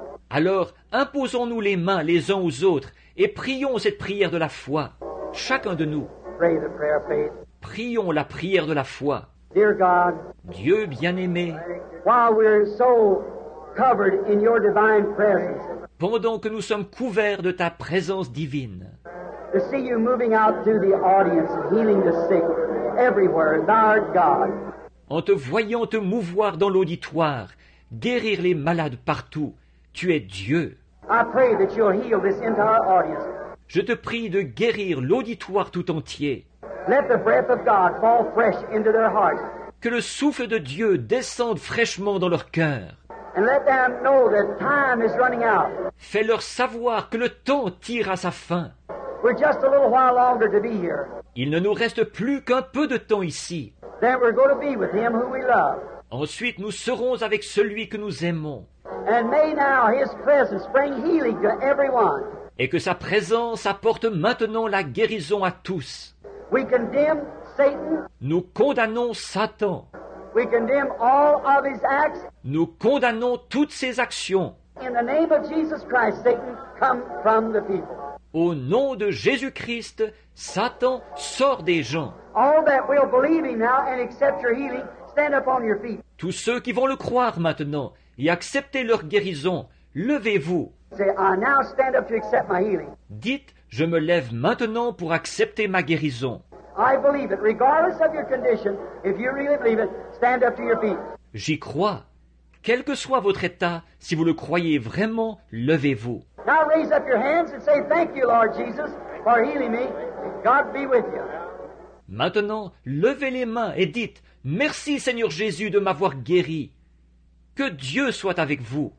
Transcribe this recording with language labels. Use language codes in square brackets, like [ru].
[fr] Alors, imposons-nous les mains les uns aux autres et prions cette prière de la foi, chacun de nous. [en] Pray the prayer of faith. [fr] Prions la prière de la foi. [en] Dear God, [fr] Dieu bien-aimé, [en] while we're so covered in your divine presence, [fr] pendant que nous sommes couverts de ta présence divine, [en] to see you moving out through the audience and healing the sick everywhere, thou art God. [fr] En te voyant te mouvoir dans l'auditoire, guérir les malades partout, tu es Dieu. [en] I pray that you'll heal this entire audience. [fr] Je te prie de guérir l'auditoire tout entier. [en] Let the breath of God fall fresh into their hearts. [fr] Que le souffle de Dieu descende fraîchement dans leur cœur. [en] And let them know that time is running out. [fr] Fais-leur savoir que le temps tire à sa fin. [en] We're just a little while longer to be here. [fr] Il ne nous reste plus qu'un peu de temps ici. [en] Then we're going to be with him who we love. [fr] Ensuite, nous serons avec celui que nous aimons. [en] And may now his presence bring healing to everyone. [fr] Et que sa présence apporte maintenant la guérison à tous. [en] We condemn Satan. [fr] Nous condamnons Satan. [en] We condemn all of his acts. [fr] Nous condamnons toutes ses actions. [en] In the name of Jesus Christ, Satan, come from the people. [fr] Au nom de Jésus-Christ, Satan sort des gens. [en] All that will believe him now and accept your healing, stand up on your feet. [fr] Tous ceux qui vont le croire maintenant et accepter leur guérison, levez-vous. [en] Say, I now stand up to accept my healing. [fr] Dites, je me lève maintenant pour accepter ma guérison. [en] I believe it, regardless of your condition, if you really believe it, stand up to your feet. [fr] J'y crois. Quel que soit votre état, si vous le croyez vraiment, levez-vous. [en] Now raise up your hands and say, thank you, Lord Jesus, for healing me. God be with you. [fr] Maintenant, levez les mains et dites, merci, Seigneur Jésus, de m'avoir guéri. Que Dieu soit avec vous.